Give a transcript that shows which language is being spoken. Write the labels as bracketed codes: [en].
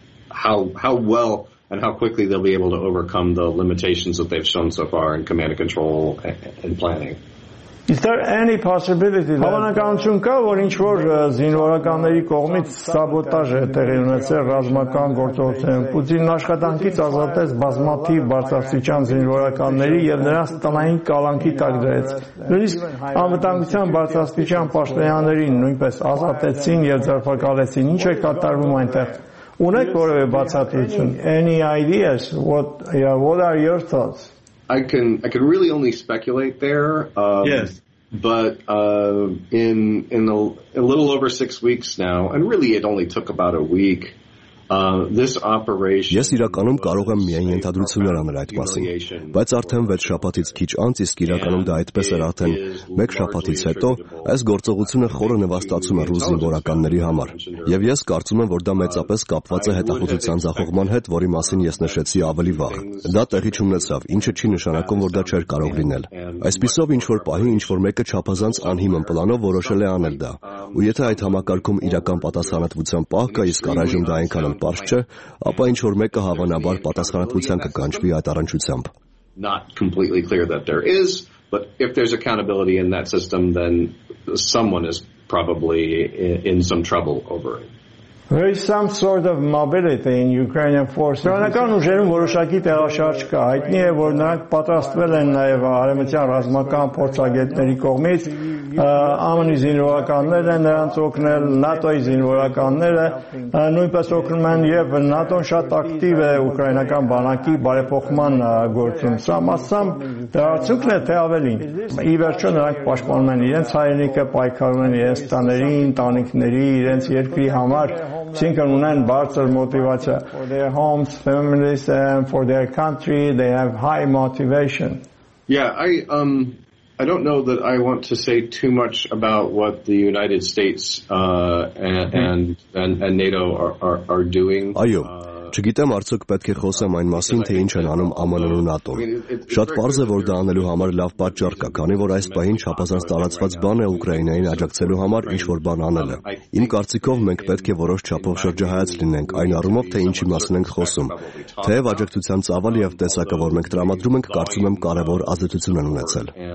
[en] How well and how quickly they'll be able to overcome the limitations that they've shown so far in command and control and planning. Is there any possibility that [hy] հավանականություն կա, որ ինչ-որ զինվորականների կողմից սաբոտաժ է տեղի ունեցել ռազմական գործողության, Պուտինն աշխատանքից ազատեց բազմաթիվ բարձրաստիճան զինվորականների և նրանց տնային կալանքի տակ դրեց, նույնիսկ անվտանգության բարձրաստիճան պաշտոնյաներին նույնպես ազատեցին և ձերբակալեցին, ինչ է կատարվում այնտեղ? Ունեք որևէ բացատրություն? [en] Any ideas? What are your thoughts? I can really only speculate there. Yes. But in a little over 6 weeks now, and really it only took about a week, [hy] Ես իրականում կարող եմ միայն ենթադրություններ անել այդ մասին, բայց արդեն 6 շաբաթից քիչ անց, իսկ իրականում դա այդպես էր արդեն 1 շաբաթից հետո, այս գործողությունը խորը նվաստացում է ռուսի զորականների համար։ Եվ ես կարծում եմ, որ դա մեծապես կապված է հետախուզության ձախողման հետ, որի մասին ես նշեցի ավելի վաղ։ Դա տեղի չունեցավ, ինչը չի նշանակում, որ դա չէր կարող լինել։ Այսպիսով, ինչ որ պահի, ինչ որ մեկը չափազանց անհիմն պլանով որոշել է անել դա, ու եթե այդ համակարգում իրական պատասխանատվության պահ կա, իսկ առայժմ դա այնքան պարզ չէ, ապա ինչ որ մեկը հավանաբար պատասխանատվության կգանչվի այդ առնչությամբ. [en] Not completely clear that there is, but if there's accountability in that system, then someone is probably in some trouble over it. There is some sort of mobility in Ukrainian forces. [hy] Ռուսական ուժերում որոշակի տեղաշարժ կա, հայտնի է, որ նրանք պատրաստվել են նաև արևմտյան ռազմական փորձագետների կողմից, ԱՄՆ-ի զինվորականներ են նրանց օգնել, ՆԱՏՕ-ի զինվորականները նույնպես օգնում են, և ՆԱՏՕ-ն շատ ակտիվ է ուկրաինական բանակի բարեփոխման գործում։ Սա մասամբ դարձուկն է, թե ավելին, ի վերջո նրանք պաշտպանում են իրենց հայրենիքը, պայքարում են իրենց տաների, ընտանիքների, իրենց երկրի համար, ինչքան ունեն բարձր մոտիվացիա. [en] For their homes, families, and for their country, they have high motivation. Yeah, I don't know that I want to say too much about what the United States and NATO are doing. [hy] Այո, չգիտեմ արդյոք պետք է խոսեմ այն մասին, թե ինչ են անում ԱՄՆ-ն ու ՆԱՏՕ-ն։ Շատ պարզ է, որ դա անելու համար լավ պատճառ կա, քանի որ այս պահին չափազանց տարածված բան է Ուկրաինային աջակցելու համար ինչ որ բան անելը։ Իմ կարծիքով մենք պետք է որոշ չափով շրջահայաց լինենք այն առումով, թե ինչի մասին ենք խոսում։ Թեև աջակցության ծավալ և տեսակը, որ մենք տրամադրում ենք, կարծում եմ կարևոր ազդեցություն են ունեցել։